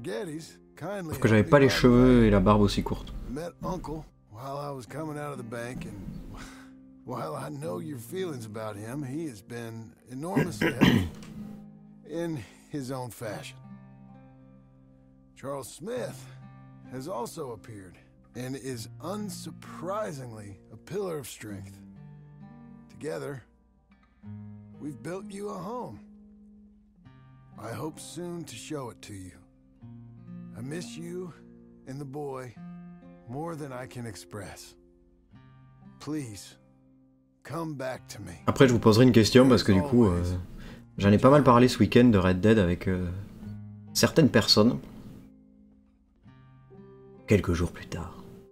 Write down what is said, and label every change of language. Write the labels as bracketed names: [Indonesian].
[English] Geddes kindly. [French] Parce que j'avais pas les cheveux et la barbe aussi courte. [English] Met Uncle while I was coming out of the bank, and while I know your feelings about him, he has been enormously helpful in his own fashion. Charles Smith has also appeared and is unsurprisingly a pillar of strength. Together, we've built you a home. I hope soon to show it to you. I miss you and the boy more than I can express. Please, come back to me. [French] Après, je vous poserai une question parce que du coup, j'en ai pas mal parlé ce week-end de Red Dead avec certaines personnes. Quelques jours plus tard.